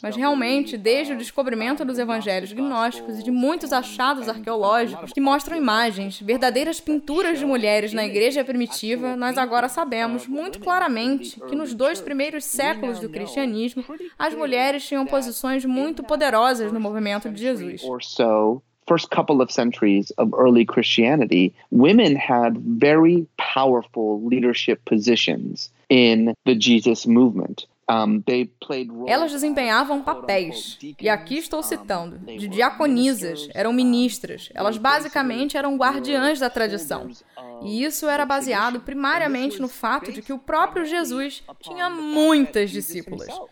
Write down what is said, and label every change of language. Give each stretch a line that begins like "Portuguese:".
Portuguese: Mas realmente, desde o descobrimento dos evangelhos gnósticos e de muitos achados arqueológicos que mostram imagens, verdadeiras pinturas de mulheres na igreja primitiva, nós agora sabemos muito claramente que nos dois primeiros séculos do cristianismo, as mulheres tinham posições muito poderosas no movimento de Jesus.
English: First couple of centuries of early Christianity, women had very powerful leadership positions in the Jesus movement.
Portuguese: Elas desempenhavam papéis, e aqui estou citando, de diaconisas, eram ministras, elas basicamente eram guardiãs da tradição. E isso era baseado primariamente no fato de que o próprio Jesus tinha muitas discípulas.